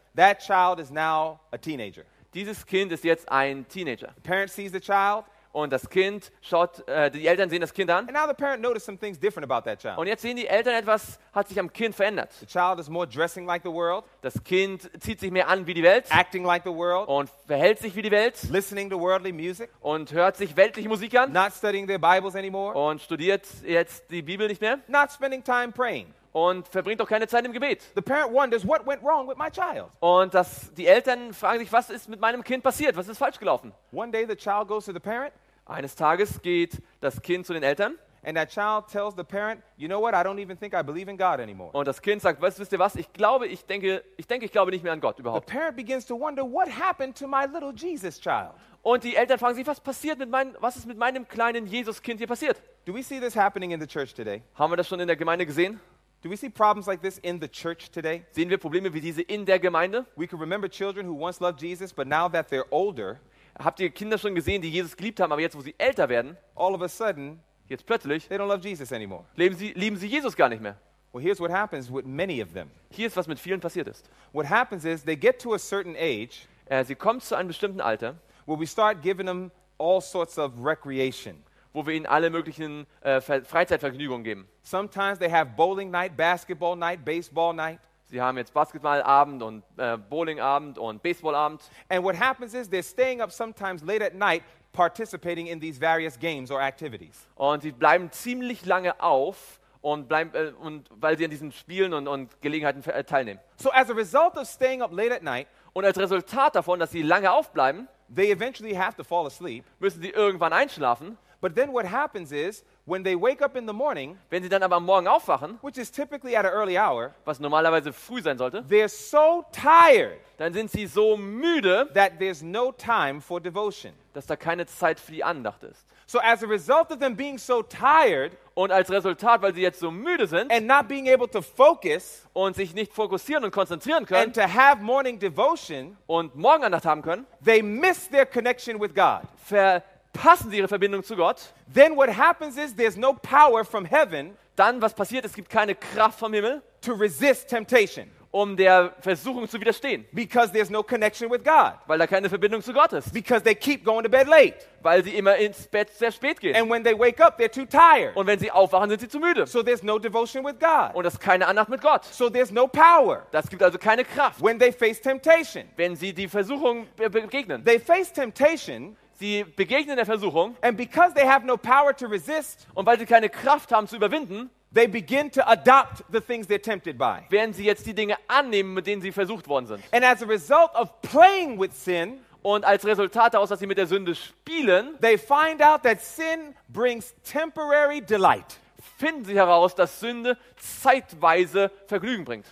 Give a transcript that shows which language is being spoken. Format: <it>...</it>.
<en>that child is now a teenager.</en> <de>Dieses Kind ist jetzt ein Teenager.</de> <en>The parent sees the child.</en> <de>Und das Kind schaut, die Eltern sehen das Kind an.</de> <en>And now the parent noticed some things different about that child.</en> <de>Und jetzt sehen die Eltern etwas, hat sich am Kind verändert.</de> <en>The child is more dressing like the world.</en> <de>Das Kind zieht sich mehr an wie die Welt.</de> <en>Acting like the world.</en> <de>Und verhält sich wie die Welt.</de> <en>Listening to worldly music.</en> <de>Und hört sich weltliche Musik an.</de> <en>Not studying their Bibles anymore.</en> <de>Und studiert jetzt die Bibel nicht mehr.</de> <en>Not spending time praying.</en> <de>Und verbringt auch keine Zeit im Gebet.</de> <en>The parent wonders what went wrong with my child.</en> <de>Und die Eltern fragen sich, was ist mit meinem Kind passiert? Was ist falsch gelaufen?</de> <en>One day the child goes to the parent.</en> <de>Eines Tages geht das Kind zu den Eltern.</de> <en>And that child tells the parent, you know what? I don't even think I believe in God anymore.</en> <de>Und das Kind sagt, wisst ihr was? Ich glaube nicht mehr an Gott überhaupt.</de> <en>The parent begins to wonder what happened to my little Jesus child.</en> <de>Und die Eltern fragen sich, was ist mit meinem kleinen Jesuskind hier passiert?</de> <en>Do we see this happening in the church today?</en> <de>Haben wir das schon in der Gemeinde gesehen?</de> <en>Do we see problems like this in the church today?</en> <de>Sehen wir Probleme wie diese in der Gemeinde?</de> <en>We can remember children who once loved Jesus, but now that they're older.</en> <de>Habt ihr Kinder schon gesehen, die Jesus geliebt haben, aber jetzt, wo sie älter werden,</de> <en>all of a sudden,</en> <de>jetzt plötzlich,</de> <en>they don't love Jesus anymore.</en> <de>Lieben sie Jesus gar nicht mehr.</de> <en>Well, here's what happens with many of them.</en> <de>Hier ist, was mit vielen passiert ist.</de> <en>What happens is, they get to a certain age,</en> <de>sie kommen zu einem bestimmten Alter,</de> <en>where we start giving them all sorts of recreation.</en> <de>Wo wir ihnen alle möglichen Freizeitvergnügungen geben.</de> <en>Sometimes they have bowling night, basketball night, baseball night.</en> <de>Sie haben jetzt Basketballabend und Bowlingabend und Baseballabend.</de> <en>And what happens is they're staying up sometimes late at night participating in these various games or activities.</en> <de>Und sie bleiben ziemlich lange auf und weil sie an diesen Spielen und Gelegenheiten teilnehmen.</de> <en>So as a result of staying up late at night,</en> <de>und als Resultat davon, dass sie lange aufbleiben,</de> <en>they eventually have to fall asleep.</en> <de>Müssen sie irgendwann einschlafen.</de> <en>But then what happens is when they wake up in the morning,</en> <de>wenn sie dann aber am Morgen aufwachen,</de> <en>which is typically at an early hour,</en> <de>was normalerweise früh sein sollte,</de> <en>they're so tired,</en> <de>dann sind sie so müde,</de> <en>that there's no time for devotion,</en> <de>dass da keine Zeit für die Andacht ist.</de> <en>So as a result of them being so tired,</en> <de>und als Resultat, weil sie jetzt so müde sind,</de> <en>and not being able to focus,</en> <de>und sich nicht fokussieren und konzentrieren können,</de> <en>and to have morning devotion,</en> <de>und Morgenandacht haben können,</de> <en>they miss their connection with God.</en> <de>Passen sie ihre Verbindung zu Gott?</de> <en>Then what happens is there's no power from heaven.</en> <de>Dann was passiert? Es gibt keine Kraft vom Himmel.</de> <en>To resist temptation.</en> <de>Um der Versuchung zu widerstehen.</de> <en>Because there's no connection with God.</en> <de>Weil da keine Verbindung zu Gott ist.</de> <en>Because they keep going to bed late.</en> <de>Weil sie immer ins Bett sehr spät gehen.</de> <en>And when they wake up, they're too tired.</en> <de>Und wenn sie aufwachen, sind sie zu müde.</de> <en>So there's no devotion with God.</en> <de>Und es keine Andacht mit Gott.</de> <en>So there's no power.</en> <de>Das gibt also keine Kraft.</de> <en>When they face temptation.</en> <de>Wenn sie die Versuchung begegnen.</de> <en>They face temptation.</en> <de>Sie begegnen der Versuchung,</de> <en>and because they have no power to resist,</en> <de>und weil sie keine Kraft haben zu überwinden,</de> <en>they begin to adopt the things they're tempted by.</en> <de>Werden sie jetzt die Dinge annehmen, mit denen sie versucht worden sind.</de> <en>And as a result of playing with sin,</en> <de>und als Resultat daraus, dass sie mit der Sünde spielen,</de> <en>they find out that sin brings temporary delight.</en> <de>Finden sie heraus, dass Sünde zeitweise Vergnügen bringt.</de>